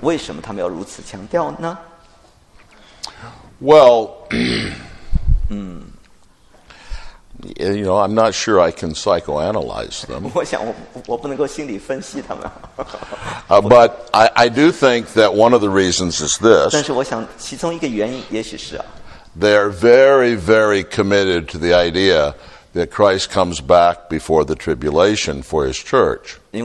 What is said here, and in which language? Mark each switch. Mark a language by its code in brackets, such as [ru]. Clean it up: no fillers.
[zh] 为什么他们要如此强调呢? [en] Well, you know, I'm not sure I can psychoanalyze them. [zh] 我不能够心理分析他们。 [en] But I do think that one of the reasons is this. [zh] 但是我想其中一个原因也许是啊, [en] they're very, very committed to the idea that Christ comes back before the tribulation for his church.